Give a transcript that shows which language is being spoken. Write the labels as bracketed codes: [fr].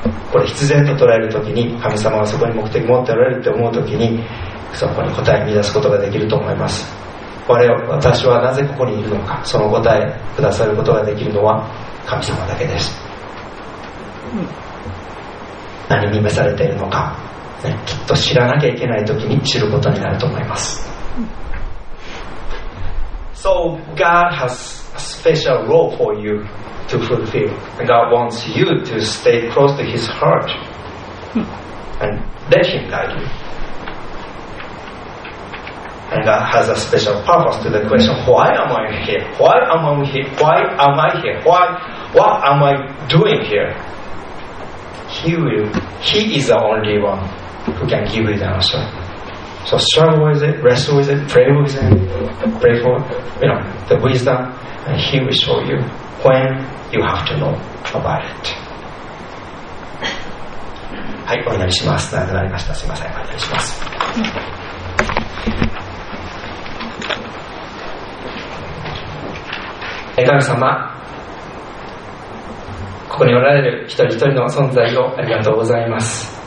[ja] これ必然と捉えるときに、神様がそこに目的を持っておられるって思うときに、そこに答えを見出すことができると思います。私はなぜここにいるのか、その答えくださることができるのは神様だけです。何に召されているのか、ね、きっと知らなきゃいけないときに知ることになると思います。 [en] So God has a special role for youTo fulfill, and God wants you to stay close to His heart and let Him guide you. And God has a special purpose to the question: Why am I here? Why am I here? Why am I here? What am I doing here? He is the only one who can give you the answer. So struggle with it, wrestle with it, pray with it, pray for, you know, the wisdom, and He will show you when you have to know about it. [ja] はい、お願いします。長くなりました。すいません。お願いします。神様、ここにおられる一人一人の存在をありがとうございます。